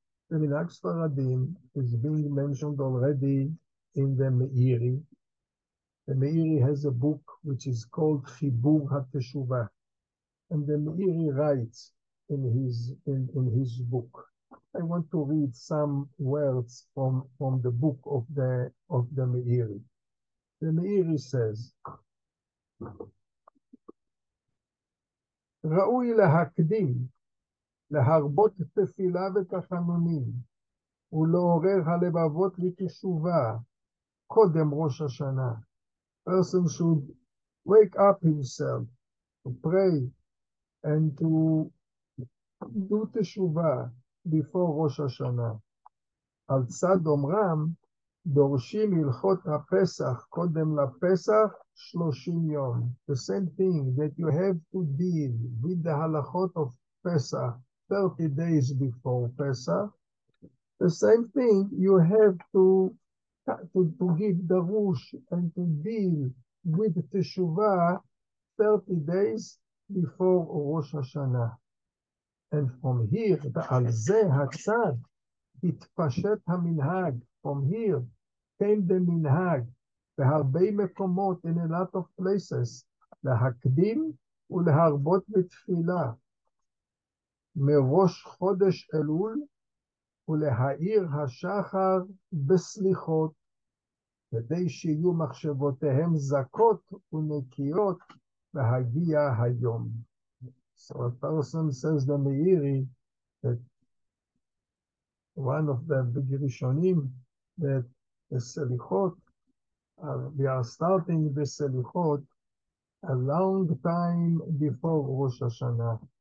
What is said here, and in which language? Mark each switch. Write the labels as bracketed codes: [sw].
[en] The Minhag Sfaradim is being mentioned already in the Meiri, The Meiri has a book which is called Chibur HaTeshuvah, and the Meiri writes in his book. I want to read some words from the book of the Meiri. The Meiri says, [he] "Ra'ui lehakdim, להרבות תפילה ותחנונים, ולעורר הלבבות לתשובה, קודם ראש השנה." [en] Person should wake up himself to pray and to do תשובה before ראש השנה. [he] על צד אומרם, דורשים הלכות הפסח, קודם לפסח, 30 יום. [en] The same thing that you have to deal with the הלכות of פסח, 30 days before Pesach, the same thing, you have to give darush and to deal with teshuvah 30 days before Rosh Hashanah. And from here, [he] al zeh hatzad, itpashet haminhag. [en] From here came the minhag, [he] v'harbei mekomot, [en] in a lot of places, [he] lehakdim ulharbot betfilah. מראש חודש אלול ולהאיר השחר בסליחות כדי שיהיו מחשבותיהם זכות ונקיות והגיע היום. [en] So a person says the Meiri that one of the big ראשונים that the סליחות, we are starting the סליחות a long time before ראש השנה.